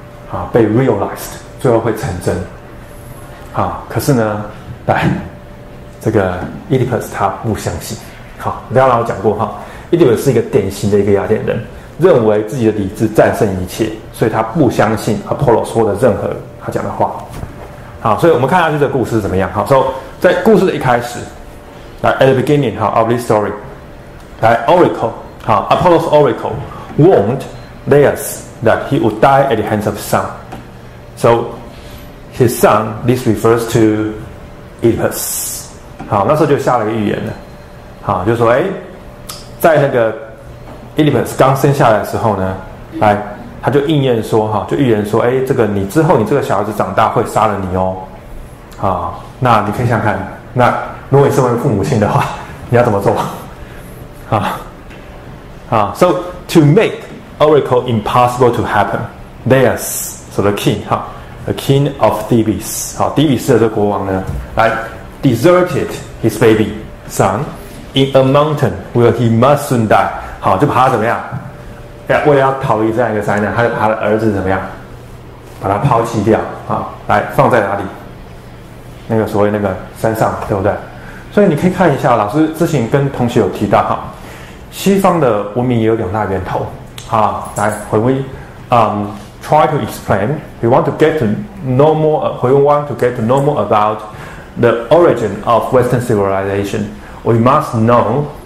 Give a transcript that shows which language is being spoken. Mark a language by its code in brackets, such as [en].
[zh] 啊，被 realized， 最后会成真。啊，可是呢，来这个 Oedipus 他不相信。好，刚刚我讲过哈 ，Oedipus 是一个典型的一个雅典人。认为自己的理智战胜一切，所以他不相信 Apollo 说的任何他讲的话。好，所以我们看下去这个故事是怎么样。好，所以在故事的一开始， [en] 来 at the beginning 好 of this story， 来 Oracle 好 Apollo's Oracle warned Laius that he would die at the hands of his son， so his son this refers to Oedipus。 [zh] 好，那时候就下了一个预言了，好，就说哎，在那个Oedipus 刚生下来的时候呢，来，他就应验说哈，就预言说，哎，这个你之后你这个小孩子长大会杀了你哦，啊，那你可以想看，那如果你身为父母亲的话，你要怎么做？ [en] 啊 ，So to make Oracle impossible to happen, Laius, so the king, 哈 ，the king of Thebes, 好， [zh] 底比斯的这个国王呢， [en] 来 deserted his baby son in a mountain where he must soon die. [zh] 好，就把他怎么样？为了要逃离这样一个灾难，他就把他的儿子怎么样？把他抛弃掉啊，来放在哪里？那个所谓那个山上，对不对？所以你可以看一下，老师之前跟同学有提到哈，西方的文明也有两大源头啊。 [en] 来 ，when we try to explain, we want to get to know more about the origin of Western civilization, we must know.